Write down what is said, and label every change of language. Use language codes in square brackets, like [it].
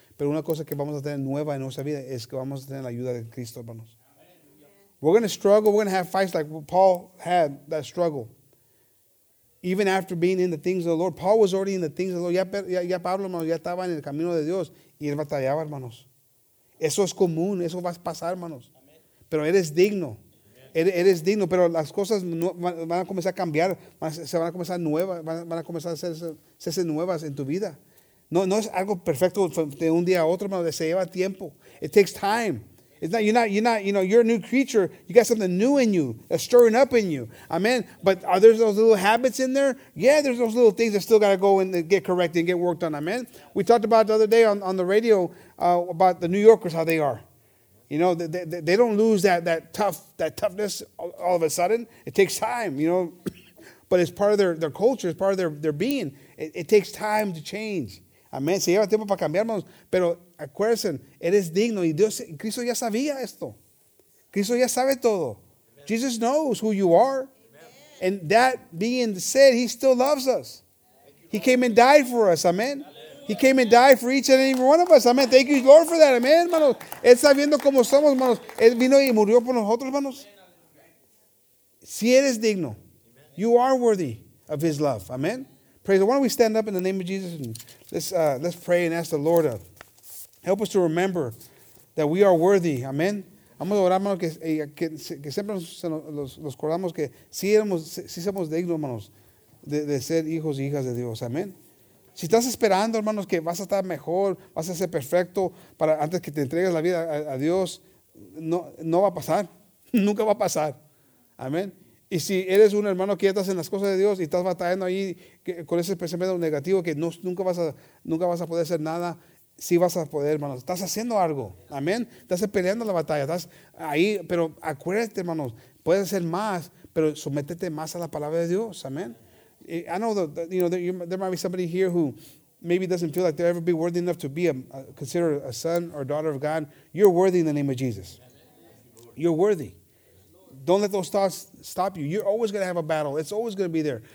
[es] Pero una cosa que vamos a tener nueva en nuestra vida es que vamos a tener la ayuda de Cristo, hermanos. [en] We're going to struggle. We're going to have fights like Paul had, that struggle. Even after being in the things of the Lord. Paul was already in the things of the Lord. [es] Ya Pablo, hermanos, ya estaba en el camino de Dios. Y él batallaba, hermanos. Eso es común. Eso va a pasar, hermanos. Pero eres digno. Eres digno, pero las cosas van a comenzar a cambiar, se van a comenzar nuevas, van a comenzar a hacerse nuevas en tu vida. No es algo perfecto de un día a otro, hermano, se lleva tiempo. [en] It takes time. You're a new creature. You got something new in you, that's stirring up in you. Amen. But are there those little habits in there? Yeah, there's those little things that still got to go and get corrected and get worked on. Amen. We talked about the other day on the radio about the New Yorkers, how they are. You know, they don't lose that toughness all of a sudden. It takes time, you know. But it's part of their culture. It's part of their being. It takes time to change. Amen. [es] Se lleva tiempo para cambiar, hermanos. Pero acuérdense, eres digno. Y Dios, Cristo ya sabía esto. Cristo ya sabe todo. Amen. [en] Jesus knows who you are. Amen. And that being said, he still loves us. He came and died for us. Amen. He came and died for each and every one of us. Amen. Thank you, Lord, for that. Amen, hermanos. [es] Él sabiendo cómo somos, hermanos. Él vino y murió por nosotros, hermanos. Si eres digno. [en] You are worthy of his love. Amen. Praise the Lord. Why don't we stand up in the name of Jesus and let's pray and ask the Lord to help us to remember that we are worthy. Amen. [es] Vamos a orar, hermanos, que siempre nos acordamos que si somos dignos, hermanos, de ser hijos y hijas de Dios. Amen. Si estás esperando, hermanos, que vas a estar mejor, vas a ser perfecto para antes que te entregues la vida a Dios, no va a pasar. Nunca va a pasar. Amén. Y si eres un hermano que ya estás en las cosas de Dios y estás batallando ahí con ese pensamiento negativo que nunca vas a poder hacer nada, sí vas a poder, hermanos. Estás haciendo algo. Amén. Estás peleando la batalla. Estás ahí, pero acuérdate, hermanos, puedes hacer más, pero sométete más a la palabra de Dios. Amén. [en] I know there might be somebody here who maybe doesn't feel like they'll ever be worthy enough to be considered a son or daughter of God. You're worthy in the name of Jesus. You're worthy. Don't let those thoughts stop you. You're always going to have a battle. It's always going to be there.